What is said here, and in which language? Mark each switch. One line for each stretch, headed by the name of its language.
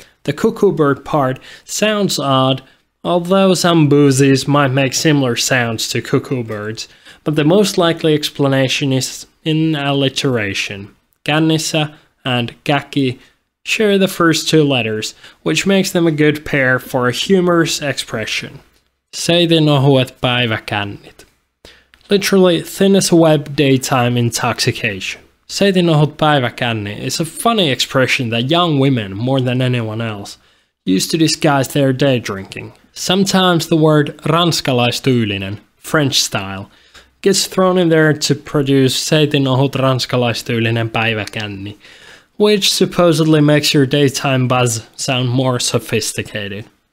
English: The cuckoo bird part sounds odd, although some boozies might make similar sounds to cuckoo birds, but the most likely explanation is in alliteration. Kännissä and käki share the first two letters, which makes them a good pair for a humorous expression.
Finnish: Säiden ohuet päiväkännit.
English: Literally, thin as a web, daytime intoxication.
Finnish: Säiden ohut päiväkänni
English: is a funny expression that young women, more than anyone else, use to disguise their day drinking. Sometimes the word ranskalaistyylinen, French style, gets thrown in there to produce
Finnish: säiden ohut ranskalaistyylinen päiväkänni,
English: which supposedly makes your daytime buzz sound more sophisticated.